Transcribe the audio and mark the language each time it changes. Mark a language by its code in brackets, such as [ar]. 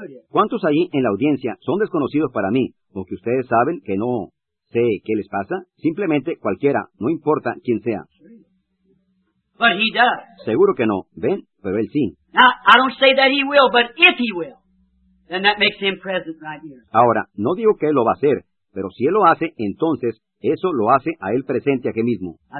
[es] ¿Cuántos ahí en la audiencia son desconocidos para mí? ¿O que ustedes saben que no sé qué les pasa? Simplemente cualquiera, no importa quién sea. [en] But he does. [es] Seguro que no, ¿ven? Pero él sí. [en] Now, I don't say that he will, but if he will, then that makes him present right here. [es] Ahora, no digo que él lo va a hacer. Pero si él lo hace, entonces eso lo hace a él presente aquí mismo.